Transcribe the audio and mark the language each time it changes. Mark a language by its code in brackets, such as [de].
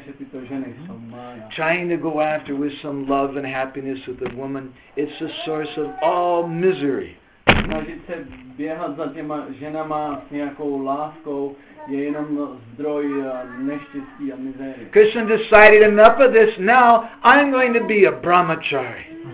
[en] Trying to go after with some love and happiness with a woman, it's a source of all misery. [cs] Snažit se běhat za těma ženama s nějakou láskou je jenom zdroj neštěstí a mizérie. [en] Krishna decided enough of this, now I'm going to be a brahmachari.